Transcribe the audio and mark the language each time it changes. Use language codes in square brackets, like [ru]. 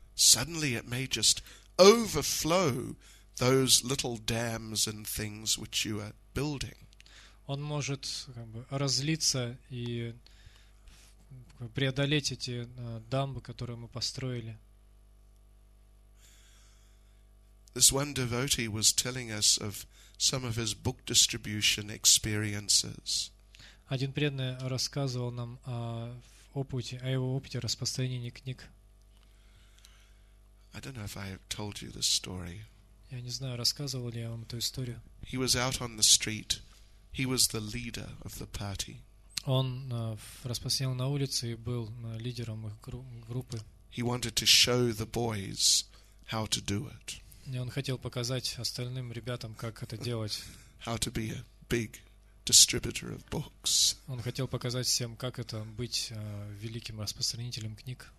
[en] Suddenly it may just overflow those little dams and things which you are building. [ru] Он может разлиться и преодолеть эти дамбы, которые мы построили. [en] This one devotee was telling us of some of his book distribution experiences. [ru] Один преданный рассказывал нам о его опыте распространения книг. [en] I don't know if I told you this story. [ru] Я не знаю, рассказывал ли я вам эту историю. [en] He was out on the street. He was the leader of the party. [ru] Он распространял на улице и был лидером их группы. [en] He wanted to show the boys how to do it. [ru] И он хотел показать остальным ребятам, как это делать. [en] How to be a big distributor of books. [ru] Он хотел показать всем, как это быть великим распространителем книг.